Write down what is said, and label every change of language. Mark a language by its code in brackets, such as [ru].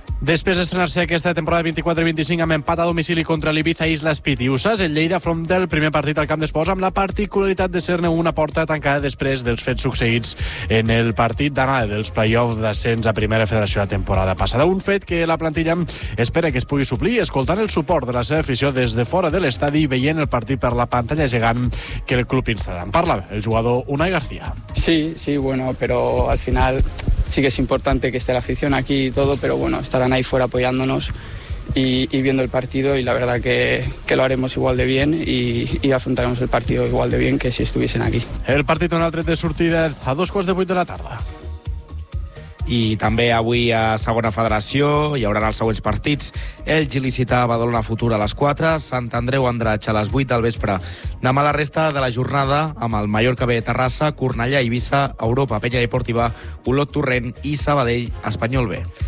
[ca] Després d'estrenar-se aquesta temporada 24-25 amb empat a domicili contra l'Ibiza i Islas Pitiusas, el Lleida afronta el primer partit al camp d'esports amb la particularitat de ser-ne una porta tancada després dels fets succeïts en el partit d'anada dels play-offs d'ascens a primera federació la temporada passada. Un fet que la plantilla espera que es pugui suplir, escoltant el suport de la seva afició des de fora de l'estadi i veient el partit per la pantalla gegant que el club instal·la. Parla el jugador Unai García. [es] Sí, bueno, però al final sí que es importante que esté la afición aquí y todo, pero bueno, estarán ahí fuera apoyándonos y viendo el partido y la verdad que lo haremos igual de bien y afrontaremos el partido igual de bien que si estuviesen aquí. [ca] El partit en el tret de sortida a 7:45 de la tarda. I també avui a segona federació hi haurà els següents partits. Elx Il·licità Badalona Futura a 4:00, Sant Andreu Andratx a 8:00 del vespre. Demà la resta de la jornada amb el Mallorca B Terrassa, Cornellà Eivissa, Europa Penya Deportiva, Olot Torrent i Sabadell Espanyol B.